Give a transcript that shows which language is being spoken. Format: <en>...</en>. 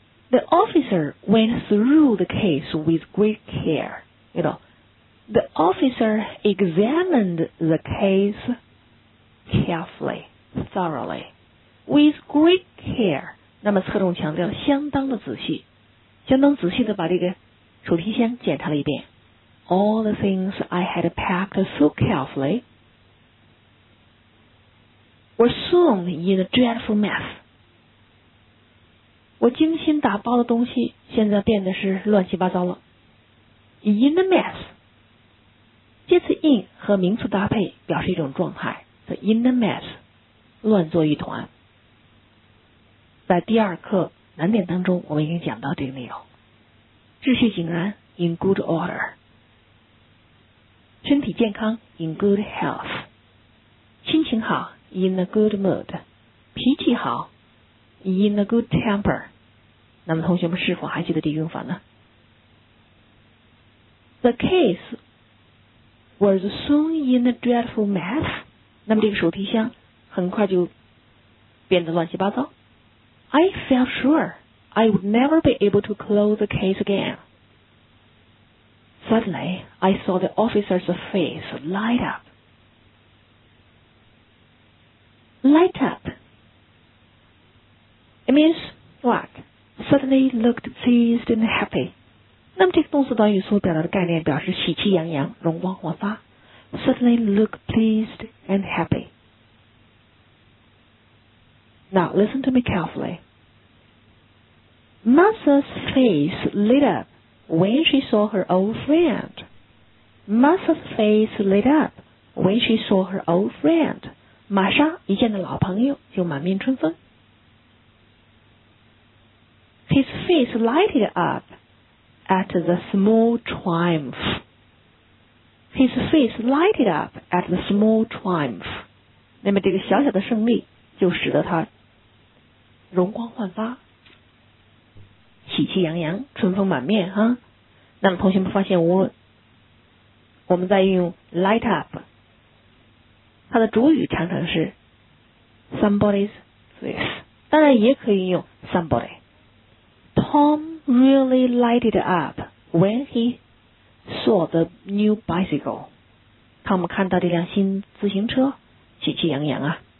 <en>The officer went through the case with great care. You know, the officer examined the case carefully, thoroughly, with great care.</en> <zh>那么侧重强调相当的仔细，相当仔细的把这个手提箱检查了一遍。</zh> <en>All the things I had packed so carefully were soon in a dreadful mess.</en> <zh>我精心打包的东西现在变得是乱七八糟了。</zh> <en>In a mess.</en> <zh>介词 in 和名词搭配表示一种状态。</zh> <en>So in a mess,</en> <zh>乱作一团。在第二课难点当中我们已经讲到这个内容。秩序井然</zh> <en>in good order.</en> <zh>身体健康</zh> <en>in good health，</en> <zh>心情好</zh> <en>in a good mood，</en> <zh>脾气好</zh> <en>in a good temper。</en> <zh>那么同学们是否还记得这用法呢？</zh> <en>The case was soon in a dreadful mess。</en> <zh>那么这个手提箱很快就变得乱七八糟。</zh> <en>I felt sure I would never be able to close the case againSuddenly, I saw the officer's face light up. Light up. It means what? Suddenly looked pleased and happy.</en> <zh>那么这个动词短语所表达的概念表示喜气洋洋，容光焕发。</zh> <en>Suddenly looked pleased and happy. Now, listen to me carefully. Martha's face lit up. When she saw her old friend, Martha's face lit up. When she saw her old friend,</en> <zh>玛莎一见的老朋友就满面春风。</zh> <en>His face lighted up at the small triumph. His face lighted up at the small triumph.</en> <zh>那么这个小小的胜利就使得他容光焕发。喜气洋洋，春风满面哈。那么同学们发现，无论我们在运用 light up， 它的主语常常是</zh> <en>somebody's face，</en> <zh>当然也可以用 somebody。</zh> <en>Tom really lighted up when he saw the new bicycle。</en> <zh>汤姆看到这辆新自行车，喜气洋洋啊。</zh>